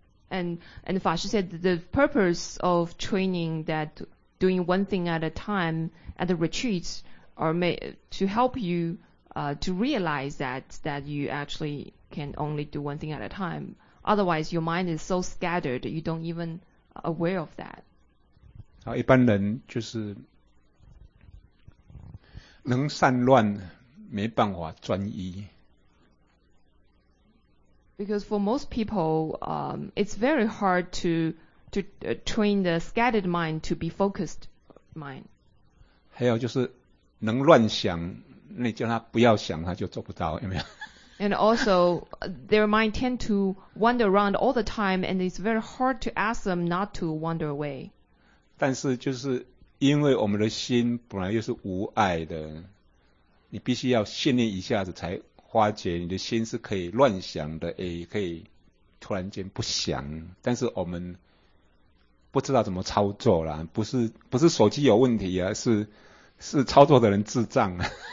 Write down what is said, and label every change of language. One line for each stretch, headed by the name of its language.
English: And Fashi said the purpose of training that doing one thing at a time at the retreats are to help you to realize that you actually can only do one thing at a time. Otherwise, your mind is so scattered, you don't even aware of that.
Chinese: 好，一般人就是能散乱，没办法专一。
English: Because for most people, it's very hard to train the scattered mind to be focused mind.
Chinese: 还有就是能乱想，你叫他不要想，他就做不到，有没有？
English: And also, their mind tend to wander around all the time, and it's very hard to ask them not to wander away.
Chinese: 但是就是因为我们的心本来就是无碍的，你必须要训练一下子才发觉你的心是可以乱想的，也可以突然间不想。但是我们不知道怎么操作啦，不是手机有问题啊，是操作的人智障啊。